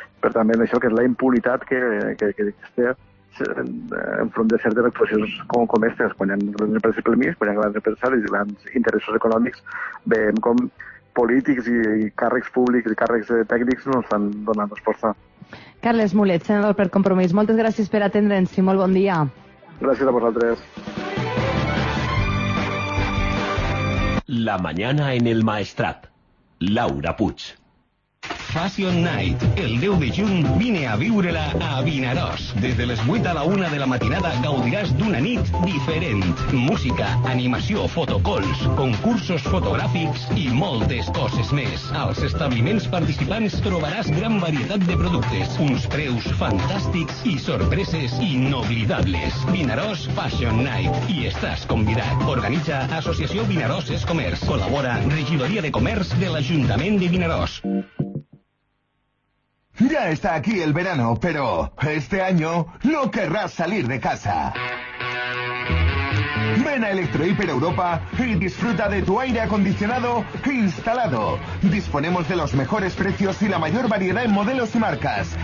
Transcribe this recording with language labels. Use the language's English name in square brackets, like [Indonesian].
[Catalan] Però també això, que és la impunitat que existeix enfront de certes actuacions com aquestes, quan hi ha grans empreses pel mig, quan hi ha grans empresaris i grans interessos econòmics, veiem com polítics i càrrecs públics i càrrecs tècnics no estan donant resposta. Carles Mulet, senador per Compromís, moltes gràcies per atendre'ns i molt bon dia. Gràcies a vosaltres. [Spanish] La mañana en el Maestrat. [Catalan] Laura Puig. Fashion Night, el 10 de juny, vine a viure-la a Vinaròs. Des de les 8 a la 1 de la matinada gaudiràs d'una nit diferent. Música, animació, fotocalls, concursos fotogràfics i moltes coses més. Als establiments participants trobaràs gran varietat de productes, uns preus fantàstics i sorpreses inoblidables. Vinaròs Fashion Night, i estàs convidat. Organitza Associació Vinaròs Es Comerç. Col·labora Regidoria de Comerç de l'Ajuntament de Vinaròs. [Spanish] Ya está aquí el verano, pero este año no querrás salir de casa. Ven a Electro Hiper Europa y disfruta de tu aire acondicionado instalado. Disponemos de los mejores precios y la mayor variedad en modelos y marcas.